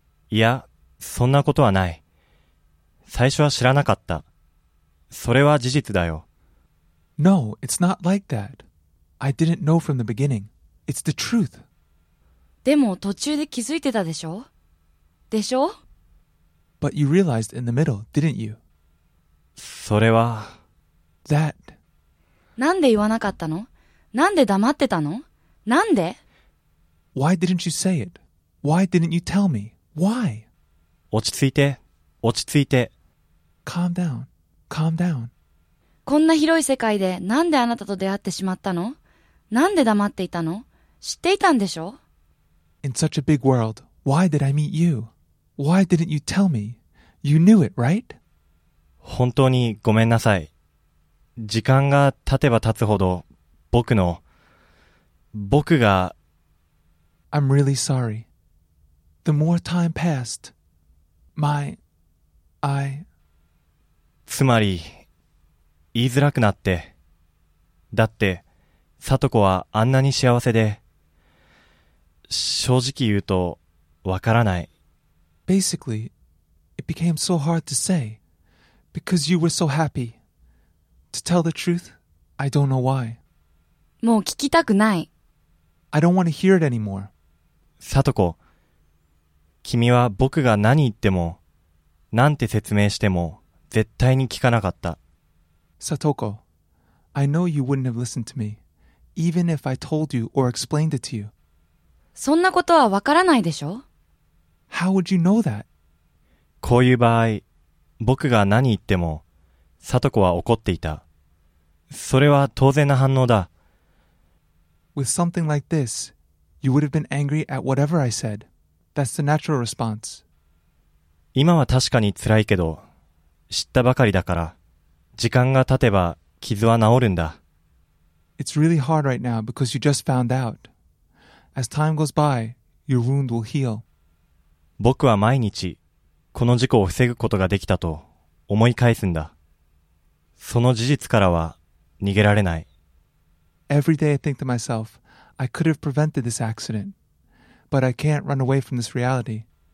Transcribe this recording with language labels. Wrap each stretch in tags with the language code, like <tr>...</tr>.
<ja>いや、そんなことはない。最初は知らなかった。それは事実だよ。</ja> <en>No, it's not like that. I didn't know from the beginning. It's the truth.</en> <ja>でも途中で気づいてたでしょ？でしょ？</ja> <en>But you realized in the middle, didn't you?</en> <ja>それは…</ja> <en>That…</en> <ja>なんで言わなかったの？なんで黙ってたの？なんで？</ja> <en>Why didn't you say it? Why didn't you tell me? Why?</en> <ja>落ち着いて、落ち着いて。</ja> <en>Calm down, calm down.</en> <ja>こんな広い世界でなんであなたと出会ってしまったの？なんで黙っていたの？知っていたんでしょ？</ja> <en>In such a big world, why did I meet you? Why didn't you tell me? You knew it, right?</en> <ja>本当にごめんなさい。時間が経てば経つほど、僕が…</ja> <en>I'm really sorry. The more time passed,</en> <ja>つまり、言いづらくなって。だって、里子はあんなに幸せで、正直言うと、わからない。</ja> <en>Basically, it became so hard to say because you were so happy. To tell the truth, I don't know why.</en> <ja>もう聞きたくない。</ja> <en>I don't want to hear it anymore.</en> <ja>里子、君は僕が何言っても、なんて説明しても、絶対に聞かなかった。</ja> <en>Satoko, I know you wouldn't have listened to me, even if I told you or explained it to you.</en> <ja>そんなことはわからないでしょ？</ja> <en>How would you know that?</en> <ja>こういう場合、僕が何言っても、サトコは怒っていた。それは当然な反応だ。</ja> <en>With something like this, you would have been angry at whatever I said. That's the natural response.</en> <ja>今は確かに辛いけど、知ったばかりだから、時間が経てば傷は治るんだ。</ja> <en>It's really hard right now because you just found out. As time goes by, your wound will heal.</en> <ja>僕は毎日、この事故を防ぐことができたと思い返すんだ。その事実からは逃げられない。</ja> <en>Every day I think to myself, I could have prevented this accident, but I can't run away from this reality.</en>